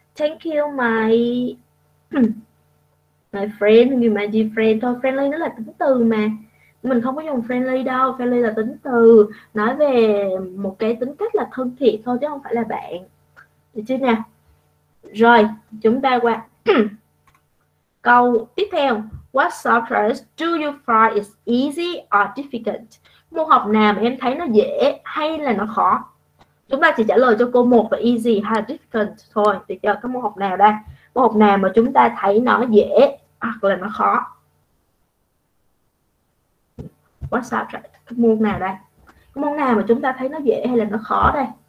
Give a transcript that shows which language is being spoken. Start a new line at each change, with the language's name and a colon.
English: Thank you my my friend,
Vietnamese: như
English: my dear friend thôi.
Vietnamese: Friendly nó là tính từ mà. Mình không có dùng friendly đâu, friendly là tính từ nói về một cái tính cách là thân thiện thôi chứ không phải là bạn. Được chưa nào? Rồi, chúng ta qua câu tiếp theo.
English: What software do you find is easy or difficult?
Vietnamese: Môn học nào mà em thấy nó dễ hay là nó khó? Chúng ta chỉ trả lời cho cô một là easy hay là difficult thôi. Thì cho các môn học nào đây? Môn học nào mà chúng ta thấy nó dễ hoặc là nó khó?
English: What's up?
Vietnamese: Cái môn nào đây? Cái môn nào mà chúng ta thấy nó dễ hay là nó khó đây?